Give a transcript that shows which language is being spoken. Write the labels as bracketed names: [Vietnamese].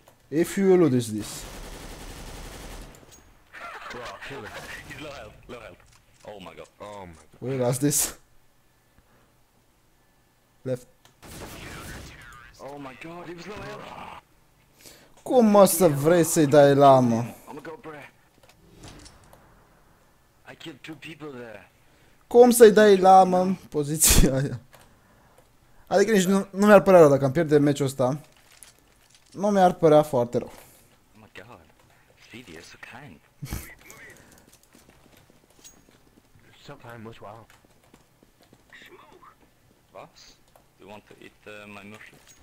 [English] If you lose this. Bro, kill him. He's low health, low health. Oh my god. Oh my god. Where is this? Left. Oh my god, he was low health! [Romanian] Cum o să vrei să-i dai lama? [English] Oh my god, bro. I killed two people there. [Romanian] Cum să-i dai lama în poziția aia? Adică nici nu mi-ar părea rău dacă am pierde meciul ăsta. Nu mi-ar părea foarte rău. [English] Oh my god, Phoebe is so kind. So kind, much wow. Smoke. Boss, you want to eat my mushroom?